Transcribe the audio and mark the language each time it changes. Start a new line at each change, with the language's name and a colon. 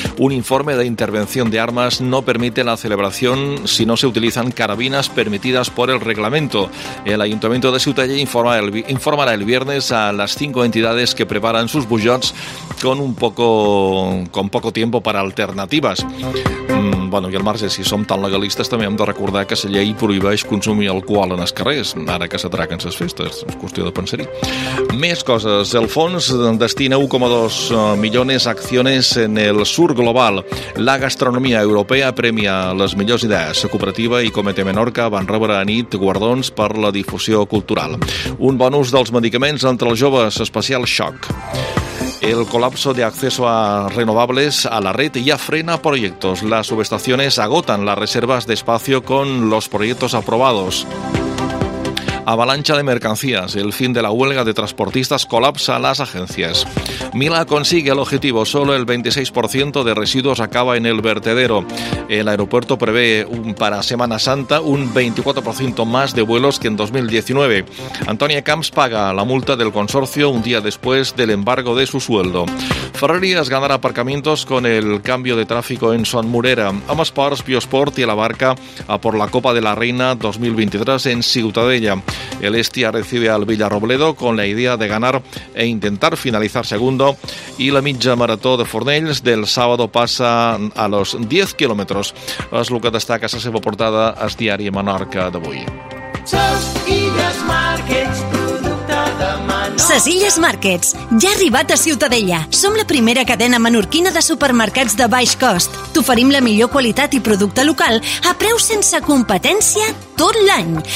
Spanish: Un informe de intervención de armas no permite la celebración si no se utilizan carabinas permitidas por el reglamento. El Ayuntamiento de Ciutadella informará el viernes a las 5 entidades que preparan sus bujots con poco tiempo para alternativas.
Catalan: Bueno, i al marge, si som tan legalistes, també hem de recordar que la llei prohibeix consumir alcohol en els carrers, ara que s'atraquen les festes. És qüestió de pensar-hi. Més coses. El fons destina 1,2 milions a
Spanish: acciones en el sur global.
Catalan: La gastronomia europea premia les millors idees. La cooperativa i Comité Menorca van rebre a nit guardons per la difusió cultural. Un bon ús dels medicaments entre els joves, especial xoc.
Spanish: El colapso de acceso a renovables a la red ya frena proyectos. Las subestaciones agotan las reservas de espacio con los proyectos aprobados. Avalancha de mercancías. El fin de la huelga de transportistas colapsa las agencias. Mila consigue el objetivo. Solo el 26% de residuos acaba en el vertedero. El aeropuerto prevé para Semana Santa un 24% más de vuelos que en 2019. Antonia Camps paga la multa del consorcio un día después del embargo de su sueldo. Ferrerías ganará aparcamientos con el cambio de tráfico en Son Murera. Amasports, Biosport y La Barca a por la Copa de la Reina 2023 en Ciutadella. El Estia recibe al Villarrobledo con la idea de ganar e intentar finalizar segundo, y
Catalan: la mitja marató de Fornells
Spanish: del sábado pasa a los 10 kilómetros.
Catalan: És el que destaca la seva portada al diari Menorca d'avui. Ses Illes Markets, ja arribat a Ciutadella. Som la primera cadena menorquina de supermercats de baix cost. T'oferim la millor qualitat i producte local a preus sense competència tot l'any.